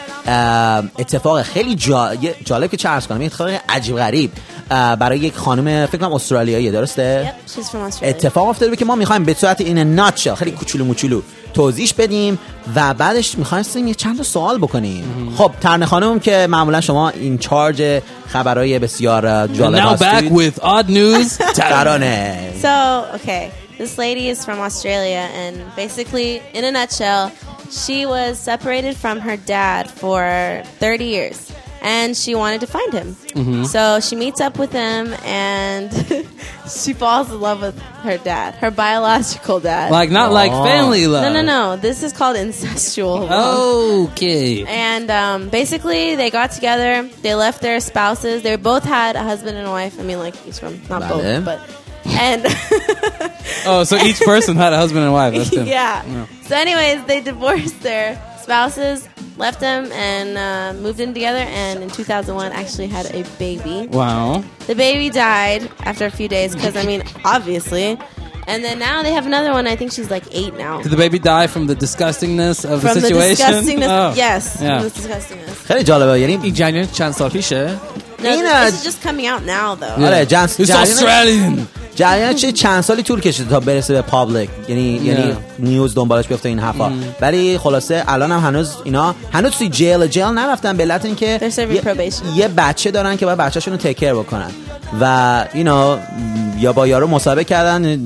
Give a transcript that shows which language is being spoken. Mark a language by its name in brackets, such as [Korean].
[Persian] اتفاق خیلی جالب که چرخ کنم، اتفاق عجیب غریب برای یک خانم فکر کنم استرالیاییه، درسته؟ [English] yep, [Persian] اتفاق افتاده که ما میخوایم به صورت این ناتشل خیلی کوچولو موچولو توضیح بدیم و بعدش میخواستیم یه چند تا سوال بکنیم. خب ترنه خانم که معمولا شما این چارج خبرهای بسیار جالب هستید. [English] Now back with odd news. [Persian] ترانه. [English] So, okay. This lady is from Australia and basically in a nutshell, she was separated from her dad for 30 years and she wanted to find him. So, she meets up with him and she falls in love with her dad, her biological dad. Like not like family love. No, no, no. This is called incestual love. Okay. And basically they got together, they left their spouses. They both had a husband and a wife. I mean like each from not both, but and oh, so each person had a husband and wife. That's yeah. So anyways, they divorced their spouses, left them and moved in together, and in 2001 actually had a baby. Wow. The baby died after a few days because, I mean, obviously. And then now they have another one. I think she's like 8 now. Did the baby die from the disgustingness of from the situation? From the disgustingness. Oh. Yes. Yeah. From the disgustingness. [Persian] خیلی جالبه. یعنی این جنین چند سال پیشه؟ [English] No, this is just coming out now though. [Persian] آره، جنس [English] جنین. It's Australian. [Persian] جنین چه چند سالی طول کشیده تا برسه به پابلیک. یعنی نیوز دنبالش بیفته این حرفا. ولی خلاصه الان هم هنوز اینا هنوز توی جیل نرفتن به علت اینکه یه بچه دارن که باید بچه‌شون رو تیک کیر بکنن. و [English] you know [Persian] یا با یارو مصاحبه کردن.